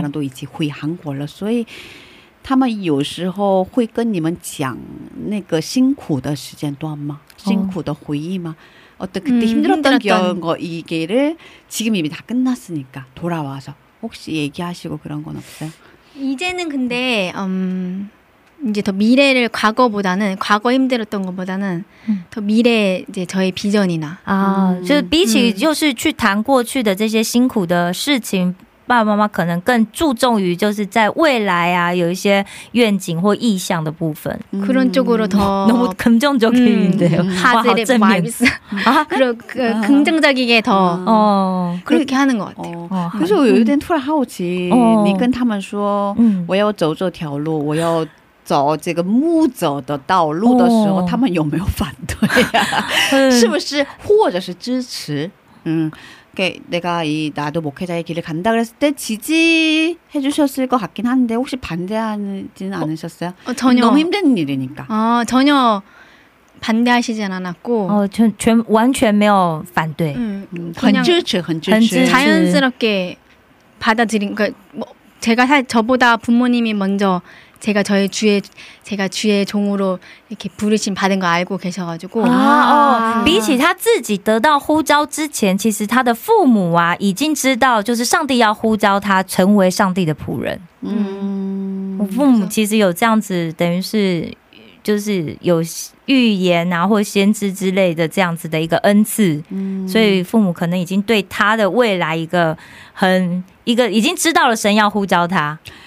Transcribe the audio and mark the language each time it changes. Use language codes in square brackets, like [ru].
[zh] 没跟你们说的话，我觉得他们藏在心里的，因为他们你们很小嘛，因为你跟你的弟弟还很小，那个时候，然后他们在那里奋斗嘛，奋斗，他们也过得很辛苦，所以他们很多话还没跟你们讲，可是已经都结束了嘛，那边的工作已经都结束了，然后大家都一起回来了嘛，一家人都一起回韩国了，所以 他们有时候会跟你们讲那个辛苦的时间段吗？辛苦的回忆吗？ [ko] 어떤 그때 힘들었던 경우 이게를 지금 이미 다 끝났으니까 돌아와서 혹시 얘기하시고 그런 건 없어요? 이제는 근데 이제 더 미래를 과거보다는 과거 힘들었던 것보다는 더 미래에 이제 저의 비전이나 [zh] 就比起就是去谈过去的这些辛苦的事情 爸爸妈妈可能更注重于就是在未来啊有一些愿景或意向的部分 [ko] 그런 쪽으로 더 너무 긍정적인데요 [en] 파지티브 바이브스 [ko] 그리고 긍정적이게 더 그렇게 하는 것 같아요 그래서 요즘 [zh] 突然 好奇 你跟他们说我要走这条路我要 走这个木走的道路的时候他们有没有反对是不是或者是支持嗯给 [ko] 내가 이 나도 목회자의 길을 간다 그랬을 때 지지해 주셨을 것 같긴 한데 혹시 반대하지는 않으셨어요? 전혀 너무 힘든 일이니까. 전혀 반대하시진 않았고. 전 완전 [zh] 没有反对. 很支持很支持. [ko] 자연스럽게 받아들인 그러니까 뭐 제가 저보다 부모님이 먼저 제가 저의 주의 제가 주의 종으로 이렇게 부르심 받은 거 알고 계셔가지고 [zh] 比起他自己得到呼召之前，其实他的父母啊已经知道，就是上帝要呼召他成为上帝的仆人。嗯，父母其实有这样子，等于是就是有预言啊，或先知之类的这样子的一个恩赐，所以父母可能已经对他的未来一个很一个已经知道了神要呼召他。